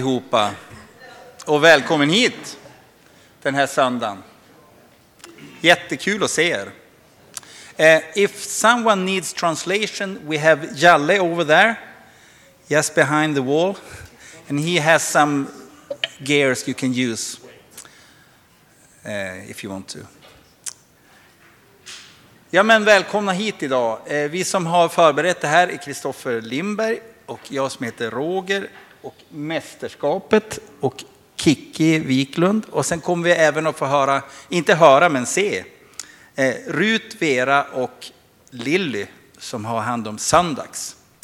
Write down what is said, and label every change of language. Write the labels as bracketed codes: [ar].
[sv] Ihop och välkommen hit den här söndagen. Jättekul att se er. [en] If someone needs translation, we have Jalle over there, just behind the wall, and he has some gears you can use if you want to. [sv] Ja, men välkomna hit idag. Vi som har förberett det här är Kristoffer Lindberg och jag som heter Roger. Och mästerskapet och Kiki Wiklund. Och sen kommer vi även att få höra, inte höra men se, Rut, Vera och Lilly som har hand om söndags.